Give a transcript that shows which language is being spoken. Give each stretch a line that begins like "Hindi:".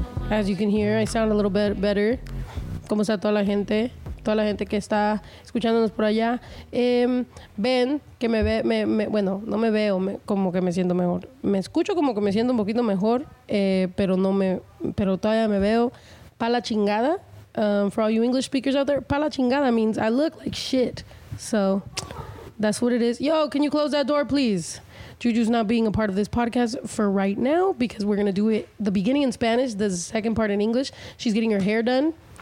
English: As you can hear, I sound a little bit better.
Spanish: ¿Cómo está toda la gente? Toda la gente que está escuchándonos por allá. Ven que me ve, bueno, no me veo como que me siento mejor. Me escucho como que me siento un poquito mejor, pero todavía me veo pa la chingada.
English: For all you English speakers out there,
Spanish: pa la chingada
English: means I look like shit. So that's what it is. Yo, can you close that door, please? Juju's not being a part of this podcast for right now because we're going to do it the beginning in Spanish, the second part in English. She's getting her hair done.